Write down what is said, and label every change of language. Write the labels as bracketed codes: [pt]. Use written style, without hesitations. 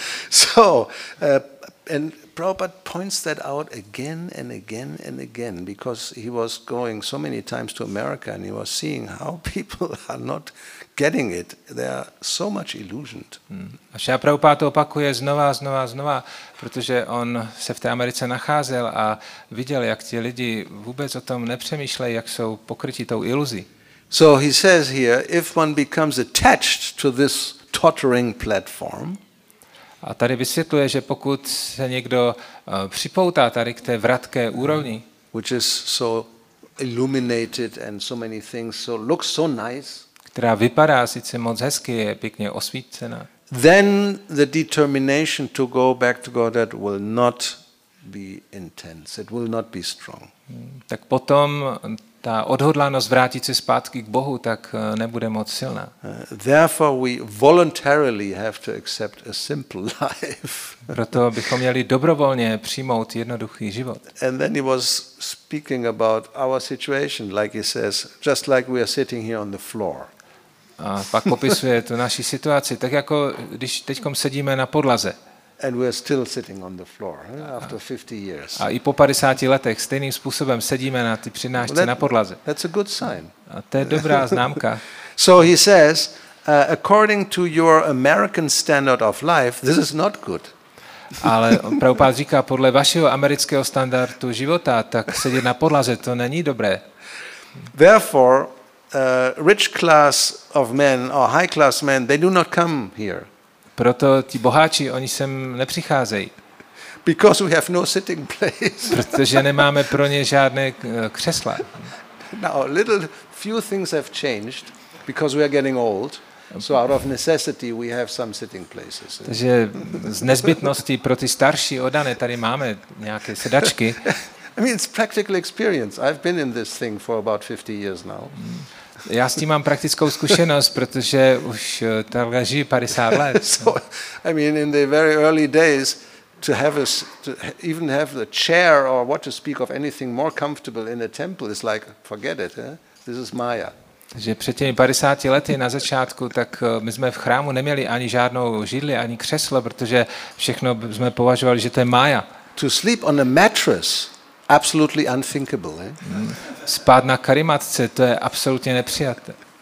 [en] So, and Prabhupada points that out again and again and again because he was going so many times to America and he was seeing how people are not getting it. They are so much illusioned. [cs] A Šrila Prabhupáda to opakuje znova a znova a znova, protože on se v té Americe nacházel a viděl, jak ti lidi vůbec o tom nepřemýšlejí, jak jsou pokrytí tou iluzí. [en] So he says here, if one becomes attached to this tottering platform, [cs] a tady vysvětluje, že pokud se někdo připoutá tady k té vratké úrovni, [en] which is so illuminated and so many things so looks so nice, [cs] která vypadá sice moc hezky, je pěkně osvícená, [en] then the determination to go back to Godhead will not be intense, it will not be strong. [cs] Tak potom ta odhodlánost vrátit se zpátky k Bohu tak nebude moc silná. [en] Therefore we voluntarily have to accept a simple life. [cs] Proto bychom měli dobrovolně přijmout jednoduchý život. [en] And then he was speaking about our situation, like he says, just like we are sitting here on the floor. [cs] A pak popisuje tu naši situaci, tak jako když teďkom sedíme na podlaze. [en] And we're still sitting on the floor after 50 years. [cs] A i po 50 letech stejným způsobem sedíme na ty přednášce na podlaze. [en] That's a good sign. [cs] A to je dobrá známka. [en] So he says, according to your American standard of life, this is not good. [cs] Ale Prabhupád říká, podle vašeho amerického standardu života, tak sedět na podlaze, to není dobré. [en] Therefore, rich class of men or high class men, they do not come here. [cs] Proto ti boháči, oni sem nepřicházejí. [en] Because we have no sitting place. [cs] Protože nemáme pro ně žádné křesla. [en] Now, little few things have changed because we are getting old. So out of necessity we have some sitting places. [cs] Takže z nezbytnosti pro ty starší odané tady máme nějaké sedačky. [en] I mean, it's practical experience. I've been in this thing for about 50 years now. [cs] Já s tím mám praktickou zkušenost, protože už takhle žiju 50 let. [en] So, I mean, in the very early days, to even have the chair or what to speak of anything more comfortable in a temple is like, forget it, this is Maya. [cs] Takže před těmi 50 lety na začátku, tak my jsme v chrámu neměli ani žádnou židli, ani křeslo, protože všechno jsme považovali, že to je Maya. [en] To sleep on a mattress, absolutely unthinkable. [cs] Spát na karimatce, to je absolutně nepřijatelné.